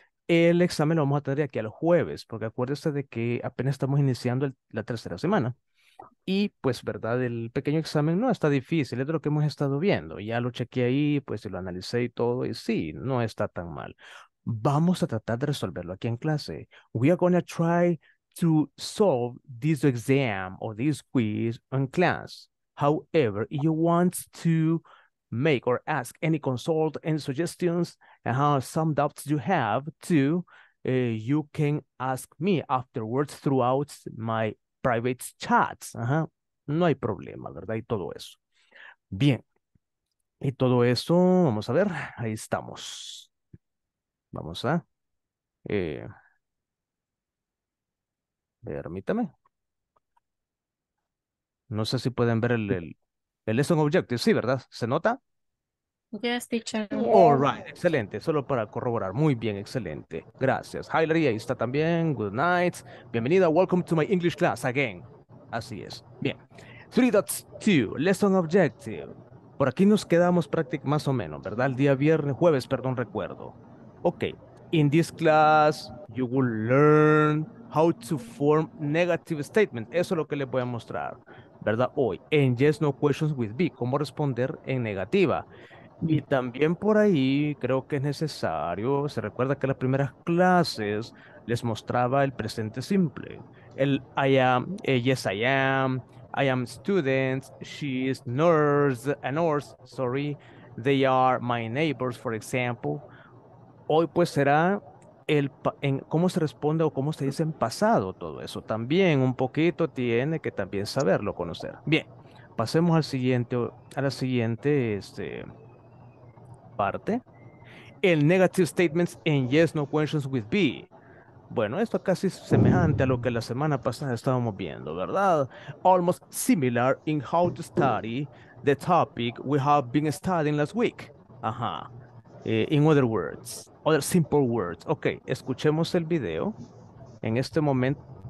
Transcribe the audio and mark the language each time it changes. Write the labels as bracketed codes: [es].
[es] El examen lo vamos a tener aquí al jueves, porque acuérdense de que apenas estamos iniciando la tercera semana. Y pues, ¿verdad? El pequeño examen no está difícil, es de lo que hemos estado viendo. Ya lo chequeé ahí, pues, y lo analicé y todo, y sí, no está tan mal. Vamos a tratar de resolverlo aquí en clase. [en] We are going to try to solve this exam or this quiz in class. However, if you want to make or ask any consult, any suggestions, some doubts you have too, you can ask me afterwards throughout my private chats. [es] Ajá. No hay problema, ¿verdad? Y todo eso. Bien. Y todo eso, vamos a ver. Ahí estamos. Vamos a. Permítame. No sé si pueden ver el lesson objective. Sí, ¿verdad? ¿Se nota? [en] Yes, teacher. All right, [es] excelente. Solo para corroborar. Muy bien, excelente. Gracias. Hilary, ahí está también. [en] Good night. [es] Bienvenida. [en] Welcome to my English class again. [es] Así es. Bien. [en] 3.2, lesson objective. [es] Por aquí nos quedamos prácticamente más o menos, ¿verdad? El día viernes, jueves, perdón, recuerdo. Ok. [en] In this class, you will learn how to form negative statement. [es] Eso es lo que les voy a mostrar, ¿verdad? Hoy. En [en] Yes, No Questions with B. [es] ¿Cómo responder en negativa? Y también por ahí creo que es necesario, se recuerda que en las primeras clases les mostraba el presente simple. [en] El I am, yes I am, I am student, she is nurse, a nurse, sorry, they are my neighbors, for example. [es] Hoy pues será cómo se responde o cómo se dice en pasado todo eso. También un poquito tiene que también saberlo conocer. Bien, pasemos a la siguiente, parte. [en] El negative statements en yes, no questions with B. [es] Bueno, esto casi es semejante a lo que la semana pasada estábamos viendo, ¿verdad? [en] Almost similar in how to study the topic we have been studying last week. Ajá. In other words, other simple words. [es] Ok, escuchemos el video en este momento.